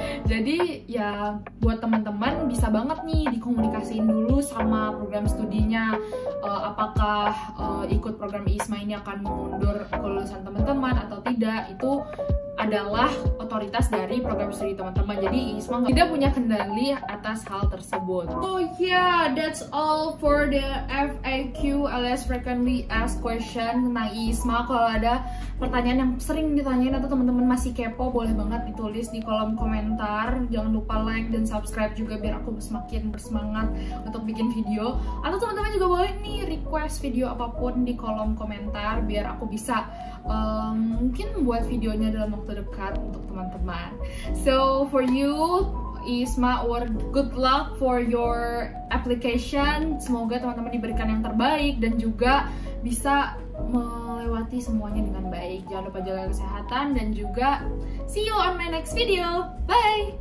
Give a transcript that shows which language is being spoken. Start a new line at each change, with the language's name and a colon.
Indonesian: Jadi ya buat teman-teman bisa banget nih dikomunikasiin dulu sama program studinya, apakah ikut program IISMA ini akan mengundur kelulusan teman-teman atau tidak. Itu adalah otoritas dari program studi teman-teman. Jadi IISMA tidak punya kendali atas hal tersebut.
English: Oh yeah, that's all for the FAQ
Indonesian: alias
English: frequently asked question
Indonesian: tentang IISMA. Kalau ada pertanyaan yang sering ditanyain atau teman-teman masih kepo, boleh banget ditulis di kolom komentar. Jangan lupa like dan subscribe juga biar aku semakin bersemangat untuk bikin video. Atau teman-teman juga boleh nih request video apapun di kolom komentar biar aku bisa mungkin buat videonya dalam waktu dekat untuk teman-teman.
English: So for you, IISMA, or good luck for your application.
Indonesian: Semoga teman-teman diberikan yang terbaik dan juga bisa melewati semuanya dengan baik. Jangan lupa jaga kesehatan dan juga
English: see you on my next video. Bye.